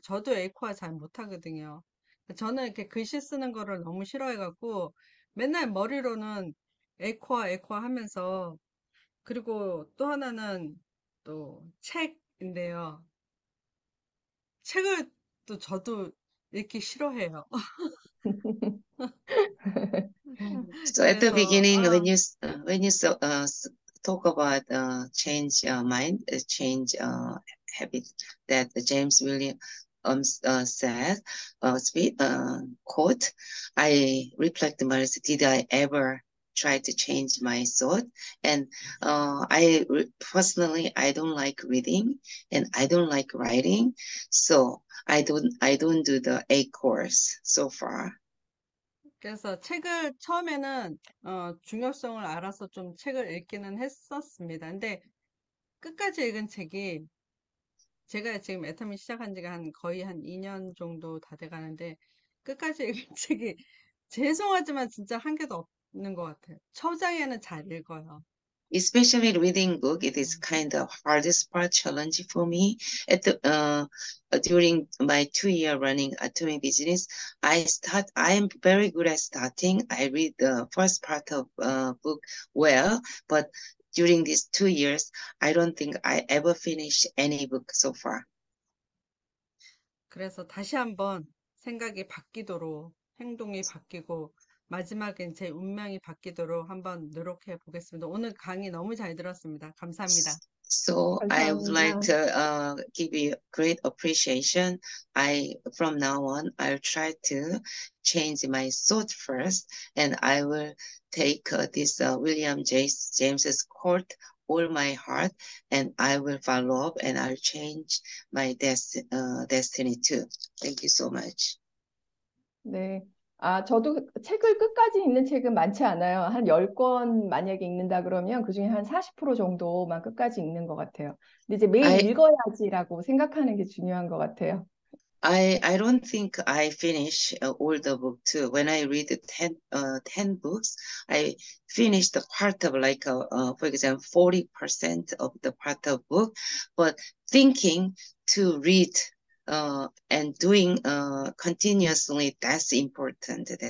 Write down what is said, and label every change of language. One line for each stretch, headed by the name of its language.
Korean: 저도 에이코아 잘 못하거든요. 저는 이렇게 글씨 쓰는 거를 너무 싫어해갖고 맨날 머리로는 에코아 에코아 하면서 그리고 또 하나는 또 책인데요. 책을 또 저도 읽기 싫어해요.
English: So at the
Korean: 그래서
English: beginning, when you talk about change mind, change habit, that James William said speech quote, I reflect myself. Did I ever try to change my thought? And I personally don't like reading and I don't like writing, so I don't do the A course so far.
Korean: 그래서 책을 처음에는 중요성을 알아서 좀 책을 읽기는 했었습니다. 근데 끝까지 읽은 책이 제가 지금 애터미 시작한 지가 거의 한 2년 정도 다돼 가는데 끝까지 읽은 책이 죄송하지만 진짜 한계도 없는 것 같아요. 초장에는 잘 읽어요.
English: Especially reading book, it is kind of hardest part challenge for me. During my 2 year running Atomy business, I'm very good at starting. I read the first part of book well, but during these 2 years, I don't think I ever finished any book so far.
Korean: 그래서 다시 한번 생각이 바뀌도록 행동이 바뀌고 마지막엔 제 운명이 바뀌도록 한번 노력해 보겠습니다. 오늘 강의 너무 잘 들었습니다. 감사합니다.
English: So I would like
Korean: 감사합니다.
English: to give you great appreciation. From now on, I'll try to change my thought first, and I will take this William James's quote all my heart, and I will follow up, and I'll change my destiny too. Thank you so much.
Korean: 네. 아, 저도 책을 끝까지 읽는 책은 많지 않아요. 한 10권 만약에 읽는다 그러면 그중에 한40% 정도만 끝까지 읽는 것 같아요. 근데 이제 매일 읽어야지라고 생각하는 게 중요한 것 같아요.
English: I don't think I finish all the book too. When I read 10 books, I finish the part of like for example 40% of the part of book. But thinking to read and doing continuously, that's important.